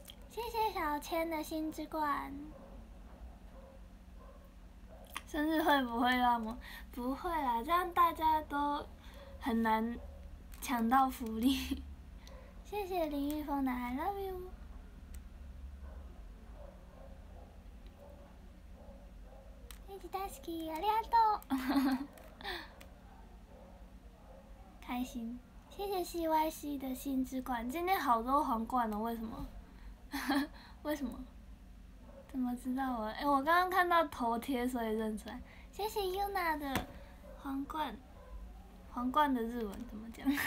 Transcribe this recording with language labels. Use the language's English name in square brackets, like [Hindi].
[Chinese] 谢谢小千的新之冠。生日会不会让我？不会啦，这样大家都很难抢到福利。谢谢林玉峰的 [English] I love you。 [Japanese] ネジ大好き、ありがとう。 [Chinese] 开心，谢谢 CYC 的新之冠，今天好多皇冠呢，为什么？为什么？怎么知道我？我刚刚看到头贴，所以认出来。谢谢 Yuna 的皇冠，皇冠的日文怎么讲？